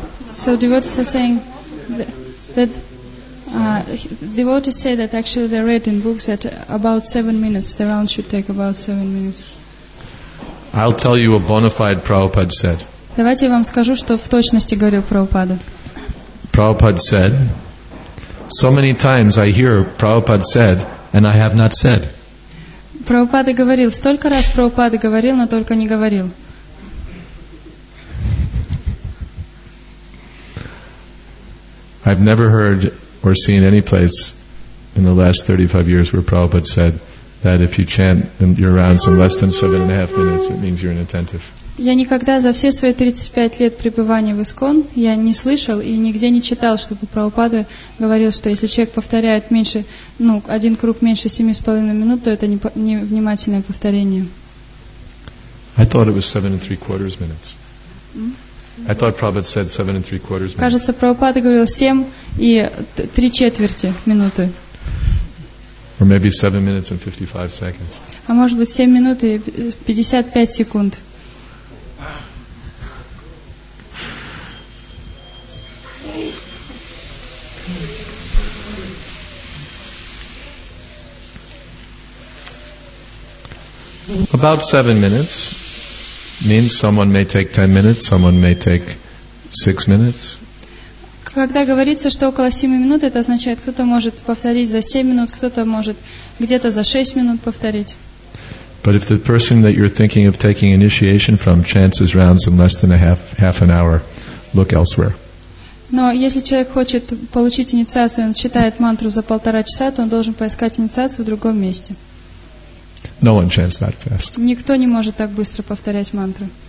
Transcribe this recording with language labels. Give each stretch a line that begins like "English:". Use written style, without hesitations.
English: So devotees are saying devotees say that actually they read in books that about 7 minutes, the round should take about 7 minutes. I'll tell you what bona fide Prabhupada said.
Russian: Давайте я вам скажу, что в точности говорил Прабхупада.
English: Prabhupada said, so many times I hear Prabhupada said, and I have not said.
Russian: Прабхупада говорил, столько раз Прабхупада говорил, но только не говорил.
English: I've never heard or seen any place in the last 35 years where Prabhupada said that if you chant your rounds in less than 7.5 minutes, it means you're inattentive.
Russian: Я никогда за все свои 35 лет пребывания в ИСКОН я не слышал и нигде не читал, чтобы Прабхупада говорил, что если человек повторяет меньше, ну, один круг меньше 7.5 минут, то это невнимательное повторение.
English: I thought it was 7.75 minutes. I thought Prabhupada said 7 3/4 minutes.
Russian: Кажется, Прабхупада говорил 7 и 3 четверти минуты.
English: Or maybe 7 minutes and 55 seconds.
Russian: А может быть 7 минут и 55 секунд.
English: About 7 minutes means someone may take 10 minutes, someone may take 6 minutes.
Russian: Когда говорится, что около 7 минут, это означает, кто-то может повторить за 7 минут, кто-то может где-то за 6 минут повторить.
English: But if the person that you're thinking of taking initiation from chants his rounds in less than a half an hour, look elsewhere.
Russian: Но если человек хочет получить инициацию, он считает мантру за 1.5 часа, то он должен поискать инициацию в другом месте.
English: No one chants that fast.
Russian: Никто не может так быстро повторять мантры.